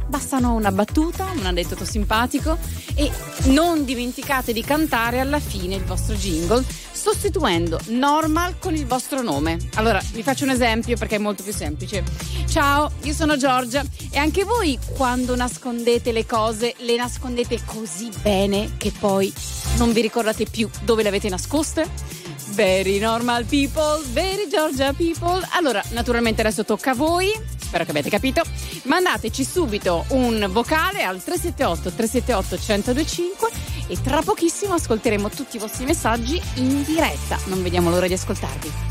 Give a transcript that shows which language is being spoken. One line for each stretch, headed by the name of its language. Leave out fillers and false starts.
Italian: Bastano una battuta, un aneddoto simpatico, e non dimenticate di cantare alla fine il vostro jingle sostituendo normal con il vostro nome. Allora vi faccio un esempio perché è molto più semplice. Ciao, io sono Giorgia, e anche voi quando nascondete le cose le nascondete così bene che poi non vi ricordate più dove le avete nascoste?
English: Very normal people, very Georgia people.
Italian: Allora, naturalmente adesso tocca a voi, spero che abbiate capito. Mandateci subito un vocale al 378-378-1025 e tra pochissimo ascolteremo tutti i vostri messaggi in diretta. Non vediamo l'ora di ascoltarvi.